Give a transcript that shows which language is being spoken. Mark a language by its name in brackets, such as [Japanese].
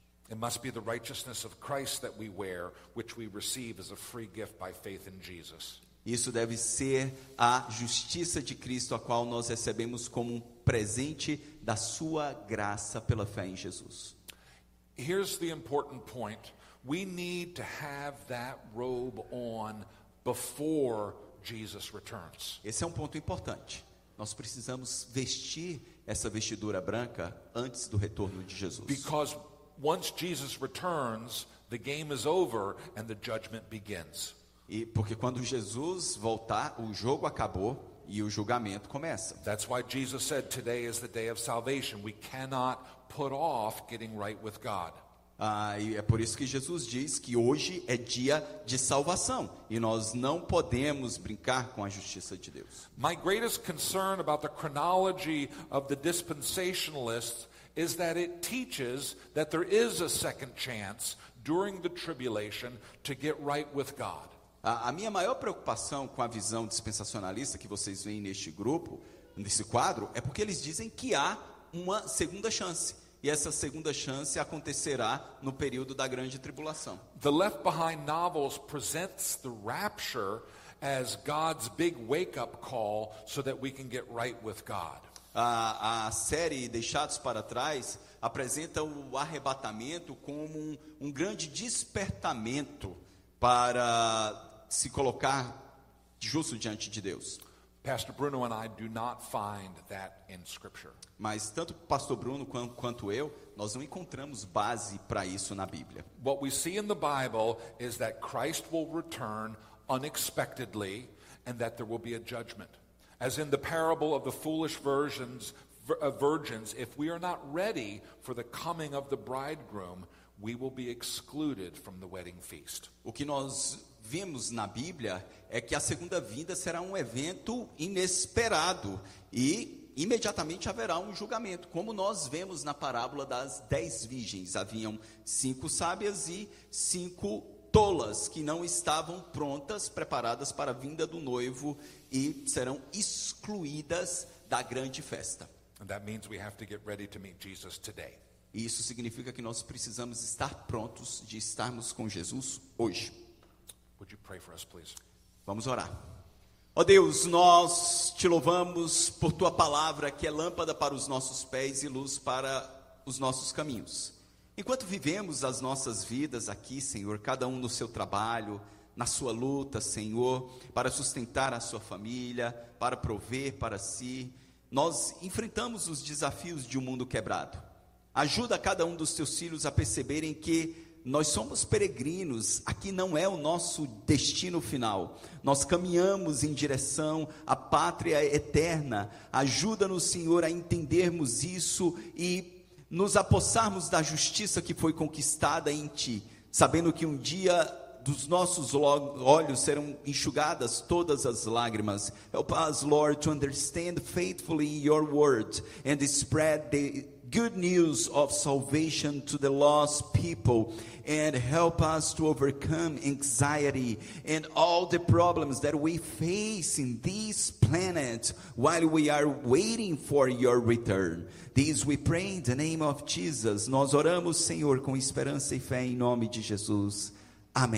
[English] It must be the righteousness of Christ that we wear, which we receive as a free gift by faith in Jesus. [Portuguese] Isso deve ser a justiça de Cristo, a qual nós recebemos como um presente da sua graça pela fé em Jesus. [English] Here's the important point. We need to have that robe on before Jesus returns. [Portuguese] Esse é um ponto importante. Nós precisamos vestir essa vestidura branca antes do retorno de Jesus. [English] Because once Jesus returns, the game is over and the judgment begins. [Portuguese] E porque quando Jesus voltar, o jogo acabou e o julgamento começa. [English] That's why Jesus said today is the day of salvation. We cannot put off getting right with God. [Portuguese] E é por isso que Jesus diz que hoje é dia de salvação e nós não podemos brincar com a justiça de Deus. [English] My greatest concern about the chronology of the dispensationalists is that it teaches that there is a second chance during the tribulation to get right with God. [Portuguese] A minha maior preocupação com a visão dispensacionalista que vocês veem neste grupo, nesse quadro, é porque eles dizem que há uma segunda chance. E essa segunda chance acontecerá no período da grande tribulação. [English] The Left Behind novels presents the rapture as God's big wake-up call so that we can get right with God. [Portuguese] A série Deixados para Trás apresenta o arrebatamento como um grande despertamento para se colocar justo diante de Deus. [English] Pastor Bruno and I do not find that in scripture. [Portuguese] Mas tanto Pastor Bruno quanto eu, nós não encontramos base para isso na Bíblia. [English] What we see in the Bible is that Christ will return unexpectedly and that there will be a judgment. As in the parable of the foolish virgins, if we are not ready for the coming of the bridegroom, we will be excluded from the wedding feast. [Portuguese] O que nós vemos na Bíblia é que a segunda vinda será um evento inesperado e imediatamente haverá um julgamento, como nós vemos na parábola das 10 virgens. Haviam 5 sábias e 5 tolas que não estavam prontas, preparadas para a vinda do noivo e serão excluídas da grande festa. [English] And that means we have to get ready to meet Jesus today. [Portuguese] E isso significa que nós precisamos estar prontos de estarmos com Jesus hoje. [English] Would you pray for us, please? [Portuguese] Vamos orar. Ó Deus, nós te louvamos por tua palavra, que é lâmpada para os nossos pés e luz para os nossos caminhos. Enquanto vivemos as nossas vidas aqui, Senhor, cada um no seu trabalho, na sua luta, Senhor, para sustentar a sua família, para prover para si, nós enfrentamos os desafios de um mundo quebrado. Ajuda cada um dos teus filhos a perceberem que nós somos peregrinos, aqui não é o nosso destino final. Nós caminhamos em direção à pátria eterna. Ajuda-nos, Senhor, a entendermos isso e nos apossarmos da justiça que foi conquistada em Ti, sabendo que um dia dos nossos olhos serão enxugadas todas as lágrimas. [English] Help us, Lord, to understand faithfully your word and spread the good news of salvation to the lost people, and help us to overcome anxiety and all the problems that we face in this planet while we are waiting for your return. This we pray in the name of Jesus. [Portuguese] Nós oramos, Senhor, com esperança e fé em nome de Jesus. Amém.